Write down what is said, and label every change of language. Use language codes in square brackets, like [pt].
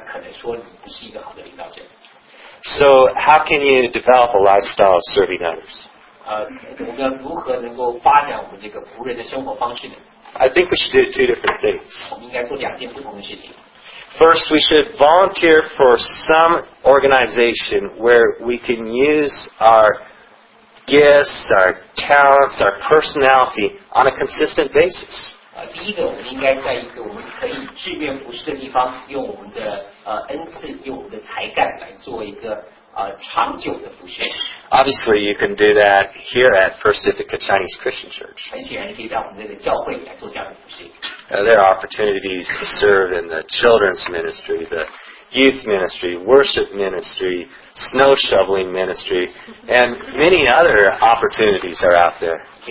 [zh] 如果你想不出来你上礼拜服侍过谁，那可能说你不是一个好的领导者。 [en] So how can you develop a lifestyle of serving others? [zh] 我们如何能够发展我们这个仆人的生活方式呢？ [en] I think we should do two different things. [zh] 我们应该做两件不同的事情。 [en] First, we should volunteer for some organization where we can use our gifts, our talents, our personality on a consistent basis. [zh] 第一个，我们应该在一个我们可以志愿服侍的地方，用我们的恩赐，用我们的才干来做一个长久的服侍。 [en] Obviously, you can do that here at First Ithaca Chinese Christian Church. [zh] 很显然，可以在我们这个教会来做这样的服侍。 [en] There are opportunities to serve in the children's ministry, the youth ministry, worship ministry, snow shoveling ministry, and many other opportunities are out there.